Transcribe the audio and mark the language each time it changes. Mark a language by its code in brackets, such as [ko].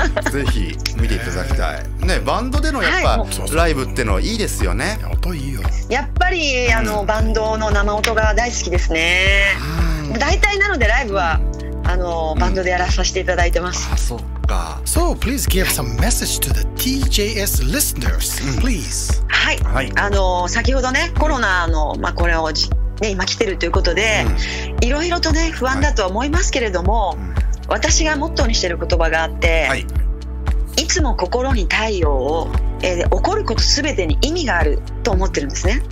[ja] ぜひ見ていただきたい、ね、バンドでのやっぱ、はい、ライブってのいいですよね。音いいよ、やっぱりバンドの生音が大好きですね。大体なのでライブはバンドでやらさせていただいてます、うん、あ、そう。 [en] So please give some message to the TJS listeners, please. [ja] はい、はい、先ほどねコロナの、まあ、これを、ね、今来てるということで、うん、いろいろとね不安だとは思いますけれども、はい、私がモットーにしてる言葉があって、はい、いつも心に太陽を、起こること全てに意味があると思ってるんですね。